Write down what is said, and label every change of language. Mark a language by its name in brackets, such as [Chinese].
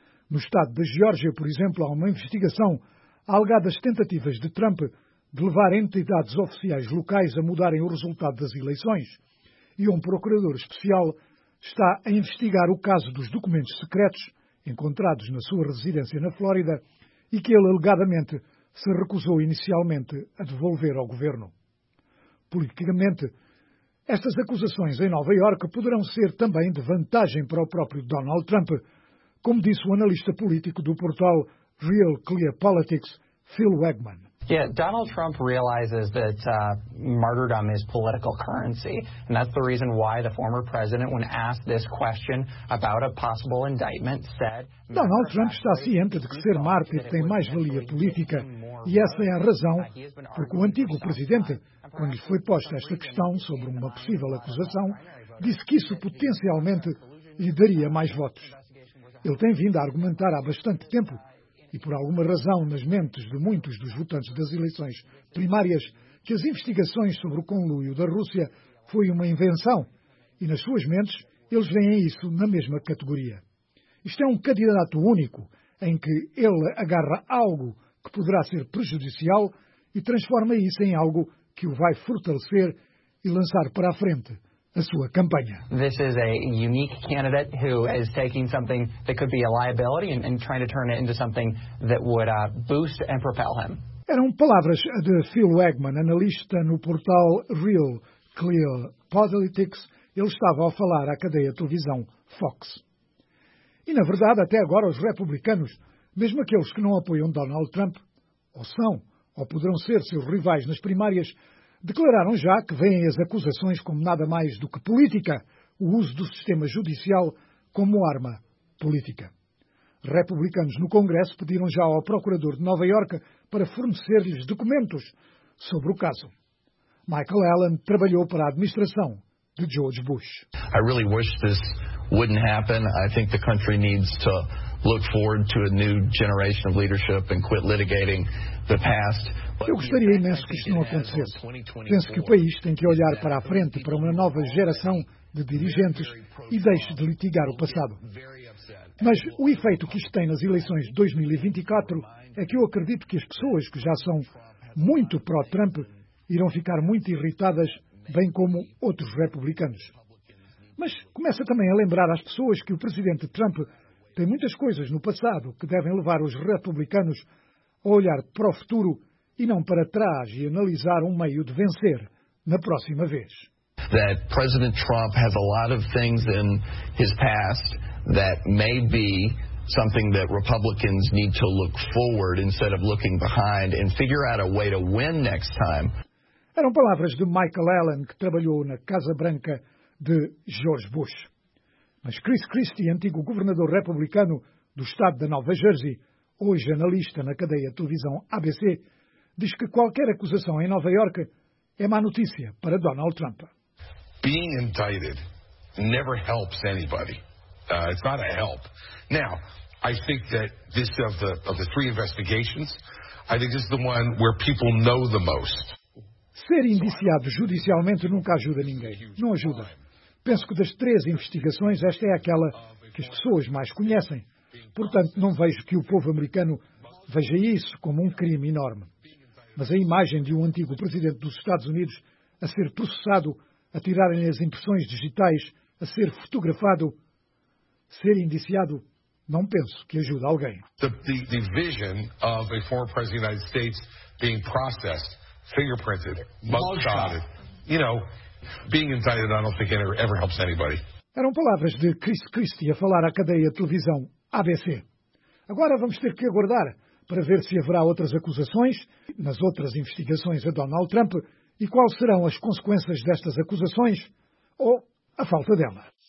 [Portuguese] No estado da Geórgia, por exemplo, há uma investigação alegadas tentativas de Trump de levar entidades oficiais locais a mudarem o resultado das eleições, e um procurador especial está a investigar o caso dos documentos secretos encontrados na sua residência na Flórida e que ele alegadamente se recusou inicialmente a devolver ao governo. Politicamente, estas acusações em Nova Iorque poderão ser também de vantagem para o próprio Donald Trump, como disse o analista político do portal Real Clear Politics, Phil Wegman. [English] Yeah, Donald Trump realizes that martyrdom is political currency, and that's the reason why the former president, when asked this question about a possible indictment, said... [Portuguese] Donald Trump está ciente de que ser mártir tem mais valia política, e essa é a razão porque o antigo presidente, quando lhe foi posta esta questão sobre uma possível acusação, disse que isso potencialmente lhe daria mais votos. Ele tem vindo a argumentar há bastante tempo, e por alguma razão nas mentes de muitos dos votantes das eleições primárias, que as investigações sobre o conluio da Rússia foi uma invenção, e nas suas mentes eles veem isso na mesma categoria. Isto é um candidato único, em que ele agarra algo que poderá ser prejudicial e transforma isso em algo que o vai fortalecer e lançar para a frente a sua campanha. [English] This is a unique candidate who is taking something that could be a liability and trying to turn it into something that would boost and propel him. [Portuguese] Eram palavras de Phil Wegman, analista no portal Real Clear Politics. Ele estava a falar à cadeia de televisão Fox. E, na verdade, até agora os republicanos, mesmo aqueles que não apoiam Donald Trump, ou são, ou poderão ser seus rivais nas primárias, declararam já que veem as acusações como nada mais do que política, o uso do sistema judicial como arma política. Republicanos no Congresso pediram já ao procurador de Nova Iorque para fornecer-lhes documentos sobre o caso. Michael Allen trabalhou para a administração de George Bush. [English] I really wish this wouldn't happen. I think the country needs to look forward to a new generation of leadership and quit litigating the past. [Portuguese] Eu gostaria imenso que isto não acontecesse. Penso que o país tem que olhar para a frente, para uma nova geração de dirigentes, e deixe de litigar o passado. Mas o efeito que isto tem nas eleições de 2024 é que eu acredito que as pessoas que já são muito pró-Trump irão ficar muito irritadas, bem como outros republicanos. Mas começa também a lembrar às pessoas que o presidente Trump tem muitas coisas no passado que devem levar os republicanos a olhar para o futuro e não para trás e analisar um meio de vencer na próxima vez. [English] That President Trump has a lot of things in his past that may be something that Republicans need to look forward instead of looking behind and figure out a way to win next time. [Portuguese] Eram palavras de Michael Allen, que trabalhou na Casa Branca de George Bush. Mas Chris Christie, antigo governador republicano do estado da Nova Jersey, hoje analista na cadeia de televisão ABC, diz que qualquer acusação em Nova Iorque é má notícia para Donald Trump. [English] Being indicted never helps anybody. It's not a help. Now, I think that this of the three investigations, I think this is the one where people know the most. [Portuguese] Ser indiciado judicialmente nunca ajuda ninguém. Não ajuda. Penso que das três investigações, esta é aquela que as pessoas mais conhecem. Portanto, não vejo que o povo americano veja isso como um crime enorme. Mas a imagem de um antigo presidente dos Estados Unidos a ser processado, a tirarem-lhe as impressões digitais, a ser fotografado, ser indiciado, não penso que ajude alguém. [English] The vision of a former president of the United States being processed, fingerprinted, mugshotted, you know, being indicted, I don't think it ever helps anybody. [Portuguese] Eram palavras de Chris Christie a falar à cadeia de televisão ABC. Agora vamos ter que aguardar para ver se haverá outras acusações nas outras investigações a Donald Trump e quais serão as consequências destas acusações ou a falta dela.